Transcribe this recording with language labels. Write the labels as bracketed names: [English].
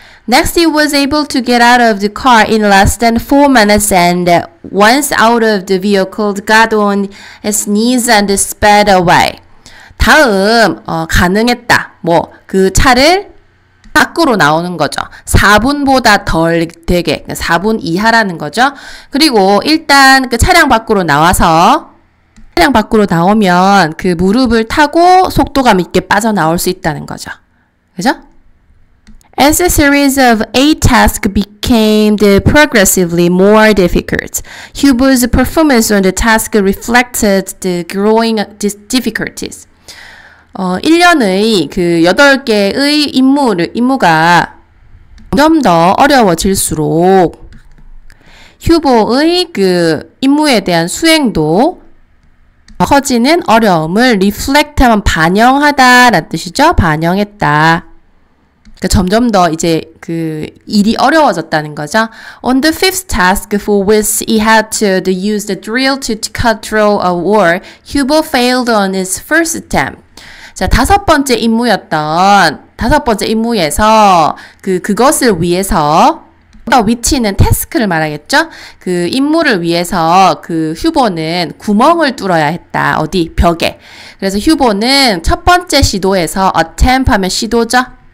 [English] Next, he was able to get out of the car in less than 4 minutes, and once out of the vehicle, got on his knees and sped away. [Korean] 다음 가능했다. 뭐 그 차를 밖으로 나오는 거죠. 4분보다 덜 되게, 4분 이하라는 거죠. 그리고 일단 그 차량 밖으로 나와서 차량 밖으로 나오면 그 무릎을 타고 속도감 있게 빠져나올 수 있다는 거죠. 그죠? [English] As a series of 8 tasks became progressively more difficult, Hubo's performance on the task reflected the growing difficulties. [Korean] 1년의 그 8개의 임무가 점점 더 어려워질수록 휴보의 그 임무에 대한 수행도 커지는 어려움을 reflect 하면 반영하다 라는 뜻이죠. 반영했다. 그러니까 점점 더 이제 그 일이 어려워졌다는 거죠. [English] On the fifth task for which he had to use the drill to cut through a wall, Hubo failed on his first attempt. [Korean] 자, 다섯 번째 임무에서 그것을 위해서 더 위치는 태스크를 말하겠죠? 그 임무를 위해서 그 휴보는 구멍을 뚫어야 했다. 어디? 벽에. 그래서 휴보는 첫 번째 시도에서 attempt 하면 시도죠?